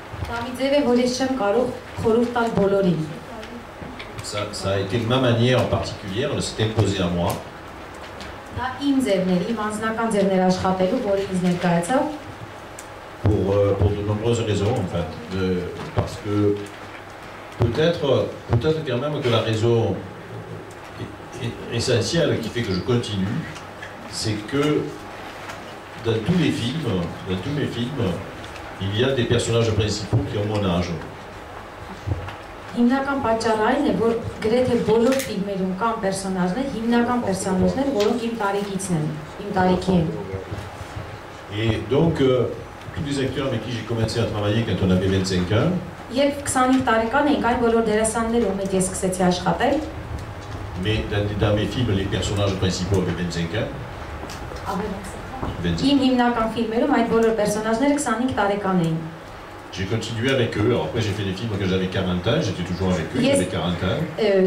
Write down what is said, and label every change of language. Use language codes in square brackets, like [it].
[hy] Դամիձևը որի չեմ կարող խորհուրդ տալ բոլորին։ [fr] Ça a été ma manière en particulier, elle s'est imposée à moi. [hy] Դա իմ ձևներ, իմ անձնական ձևներ աշխատելու, որ ինձ ներկայացավ։ [fr] Pour de nombreuses raisons, en fait. Parce que peut-être quand même que la raison essentielle qui fait que je continue, c'est que dans tous mes films, il y a des personnages principaux qui ont mon âge. [hy] Հիմնական պատճառը այն է, որ գրեթե բոլոր ֆիլմերում կան պերսոնաժներ, հիմնական պերսոնաժներ, որոնք իմ տարիքից են, իմ տարիքի են։ [fr] Et donc tous les acteurs avec qui j'ai commencé à travailler quand on avait 25 ans. [hy] Երբ 25 տարեկան էինք, այն բոլոր դերասաններով հետ ես սկսեցի աշխատել։ [fr] Mais dans mes films les personnages principaux avaient 25 ans. [hy] Իմ հիմնական ֆիլմերում այդ բոլոր պերսոնաժները 25 տարեկան էին։ [fr] J'ai continué avec eux. Alors après, j'ai fait des films quand j'avais 40 ans. J'étais toujours avec eux, j'avais 40 ans.